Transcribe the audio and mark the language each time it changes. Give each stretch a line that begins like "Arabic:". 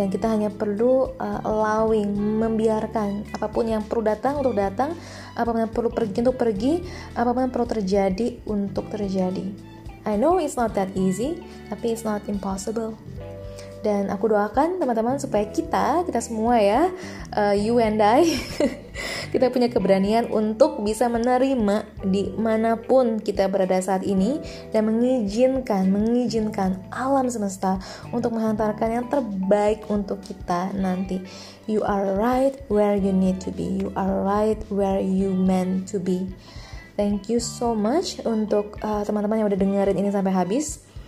Indonesian: Dan kita hanya perlu allowing, membiarkan apapun yang perlu datang untuk datang, apapun yang perlu pergi untuk pergi, apapun yang perlu terjadi untuk terjadi.
English: I know it's not that easy,
Indonesian: tapi
English: it's not impossible.
Indonesian: Dan aku doakan teman-teman supaya kita semua ya,
English: you and I,
Indonesian: kita punya keberanian untuk bisa menerima dimanapun kita berada saat ini, dan mengizinkan alam semesta untuk menghantarkan yang terbaik untuk kita nanti.
English: You are right where you need to be. You are right where you meant to be. Thank you so much
Indonesian: untuk teman-teman yang udah dengerin ini sampai habis.